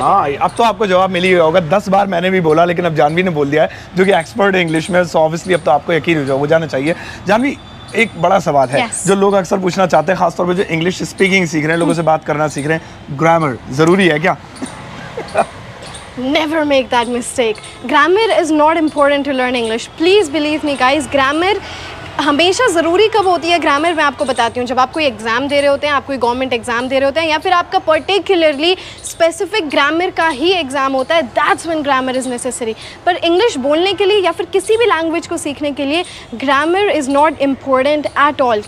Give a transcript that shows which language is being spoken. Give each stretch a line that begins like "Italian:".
Hindi: हाँ, अब तो आपको जवाब मिल ही होगा, 10 बार मैंने भी बोला लेकिन अब जानवी ने बोल दिया है जो कि एक्सपर्ट है इंग्लिश में, सो ऑब्वियसली अब तो आपको यकीन हो जाओ, वो जाना चाहिए. जानवी, एक बड़ा सवाल है जो लोग अक्सर पूछना चाहते हैं, खासतौर पर जो इंग्लिश स्पीकिंग सीख रहे हैं, लोगों से बात करना सीख रहे हैं, ग्रामर जरूरी है क्या?
English: Never make that mistake. Grammar is not important to learn English. Please believe me, guys.
Hindi: Grammar हमेशा ज़रूरी कब होती है? ग्रामर मैं आपको बताती हूँ, जब आप कोई एग्ज़ाम दे रहे होते हैं, आप कोई गवर्नमेंट एग्ज़ाम दे रहे होते हैं, या फिर आपका पर्टिकुलरली स्पेसिफिक ग्रामर का ही एग्ज़ाम होता है, that's when grammar is necessary. पर इंग्लिश बोलने के लिए या फिर किसी भी लैंग्वेज को सीखने के लिए grammar is not important at all.